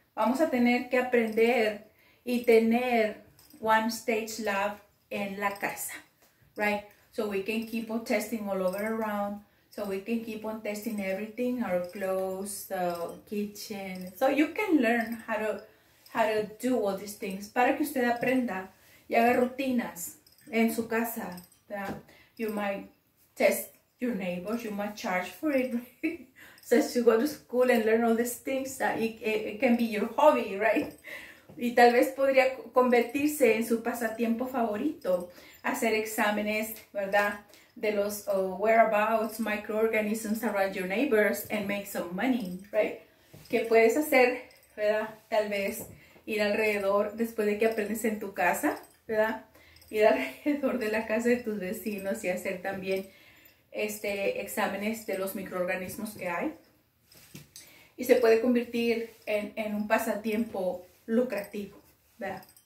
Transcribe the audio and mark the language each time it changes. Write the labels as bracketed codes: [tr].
[es] Vamos a tener que aprender y tener [en] one stage lab [es] en la casa, [en] right? So we can keep on testing all over around. So we can keep on testing everything, our clothes, the kitchen. So you can learn how to do all these things. [es] Para que usted aprenda y haga rutinas en su casa. [en] You might test your neighbors. You might charge for it. So as you go to school and learn all these things, that it can be your hobby, right? [es] Y tal vez podría convertirse en su pasatiempo favorito. Hacer exámenes, ¿verdad? De los [en] whereabouts microorganisms around your neighbors and make some money, right? [es] ¿Qué puedes hacer, verdad? Tal vez ir alrededor después de que aprendes en tu casa, ¿verdad? Ir alrededor de la casa de tus vecinos y hacer también exámenes de los microorganismos que hay. Y se puede convertir en un pasatiempo lucrativo, ¿verdad?